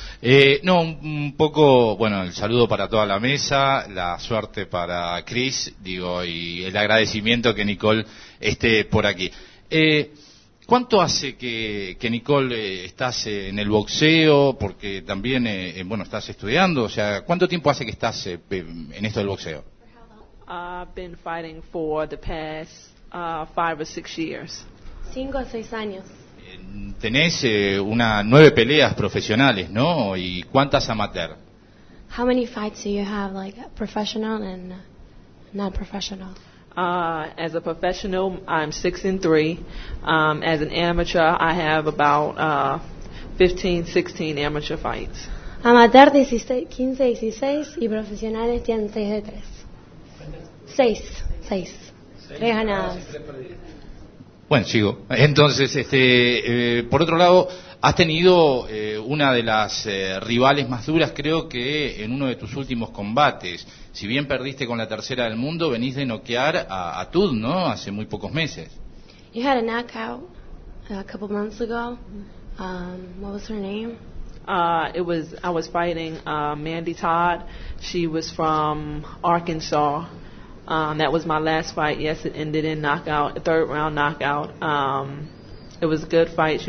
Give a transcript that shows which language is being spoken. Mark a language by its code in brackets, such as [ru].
[es] Un poco, bueno, el saludo para toda la mesa, la suerte para Cris, digo, y el agradecimiento que Nicole esté por aquí. ¿Cuánto hace que Nicole estás en el boxeo? Porque también, estás estudiando, o sea, ¿cuánto tiempo hace que estás en esto del boxeo? [en] I've been fighting for the past 5 or 6 years. [es] 5 o 6 años. Tenés unas 9 peleas profesionales, ¿no? ¿Y cuántas amateur? [en] How many fights do you have, like professional and non-professional? As a professional, I'm 6-3. As an amateur, I have about 15-16 amateur fights. [es] Amateur 15-16 y profesionales tienen 6-3. 6. 3 ganados. Bueno, sigo. Entonces, por otro lado, Has tenido una de las rivales más duras, creo que en uno de tus últimos combates. Si bien perdiste con la tercera del mundo, venís de noquear a Tud, ¿no? Hace muy pocos meses. [en] You had a knockout a couple months ago. What was her name? I was fighting Mandy Todd. She was from Arkansas. That was my last fight. Yes, it ended in knockout, third round knockout. It was a good fight.